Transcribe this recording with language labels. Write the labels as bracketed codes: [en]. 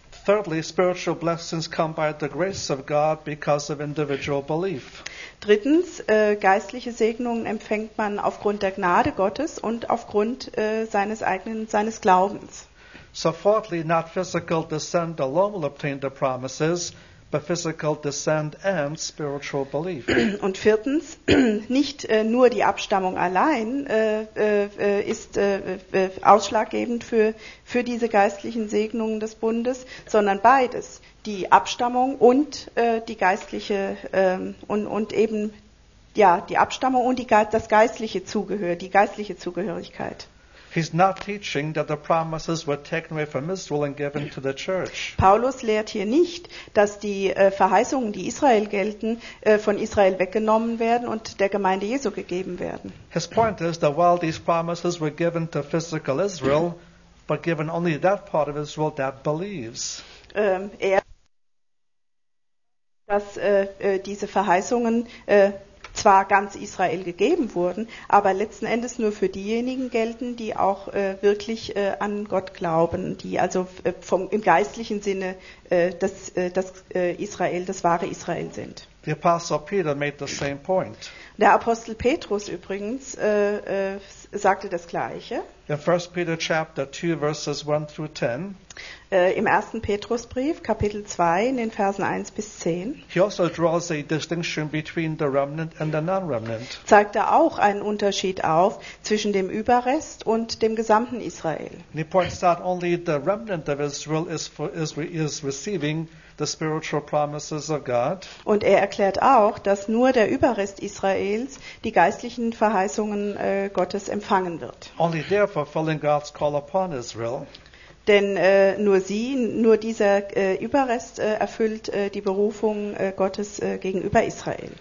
[en] Thirdly, spiritual blessings come by the grace of God because of individual belief. [de] Drittens, geistliche Segnungen empfängt man aufgrund der Gnade Gottes und aufgrund seines Glaubens. [en] So fourthly, not physical descent alone will obtain the promises, but physical descent and spiritual belief. [de] Und viertens, nicht nur die Abstammung allein ist ausschlaggebend für diese geistlichen Segnungen des Bundes, sondern beides, die Abstammung und die geistliche und eben ja die Abstammung und das geistliche Zugehör, die geistliche Zugehörigkeit. [en] He's not teaching that the promises were taken away from Israel and given to the church. [de] Paulus lehrt hier nicht, dass die Verheißungen, die Israel gelten, von Israel weggenommen werden und der Gemeinde Jesu gegeben werden. [en] His point is that while these promises were given to physical Israel, but given only that part of Israel that believes. [de] Diese Verheißungen zwar ganz Israel gegeben wurden, aber letzten Endes nur für diejenigen gelten, die auch wirklich an Gott glauben, die also im geistlichen Sinne Israel, das wahre Israel sind. [en] The Apostle Peter made the same point. [de] Der Apostel Petrus übrigens sagte das Gleiche. [en] In 1. Peter chapter 2, verses 1 through 10. [de] Im 1. Petrusbrief, Kapitel 2, in den Versen 1 bis 10. [en] He also draws a distinction between the remnant and the non-remnant. [de] Zeigt er auch einen Unterschied auf zwischen dem Überrest und dem gesamten Israel. [en] He points out only the remnant of Israel is receiving the spiritual promises of God. [de] Und er erklärt auch, dass nur der Überrest Israels die geistlichen Verheißungen Gottes empfangen wird. [en] Only there fulfilling God's call upon Israel. [de] Denn nur dieser Überrest erfüllt die Berufung Gottes gegenüber Israel.